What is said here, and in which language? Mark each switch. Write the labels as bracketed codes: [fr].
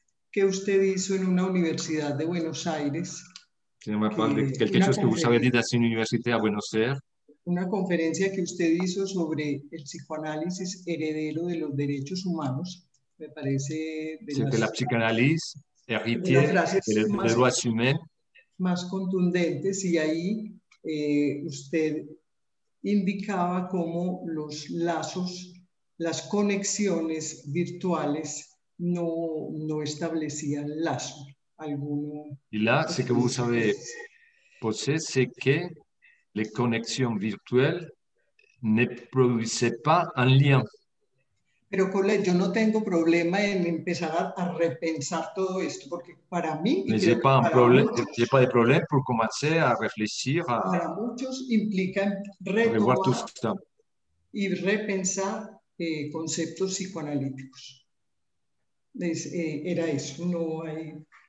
[es] Que usted hizo en una universidad de Buenos Aires. Yo me acuerdo de [fr] quelque chose que vous avez dit dans une université à Buenos Aires. [es] Una conferencia que usted hizo sobre el psicoanálisis heredero de los derechos humanos, me parece... De la psicoanálisis heredera de los derechos humanos. Más contundentes, y ahí usted indicaba cómo los lazos, las conexiones virtuales no establecían lazo alguno. [fr] Y là, ce que vous avez posé, c'est que les connexions virtuelles ne produisait pas un lien. [es] Pero Colette, yo no tengo problema en empezar a repensar todo esto, porque para mí... [fr] J'ai pas de problème pour commencer à réfléchir à... [es] Para muchos implica [fr] revoir tout ça. [es] Y repensar conceptos psicoanalíticos. Es, era eso, no hay...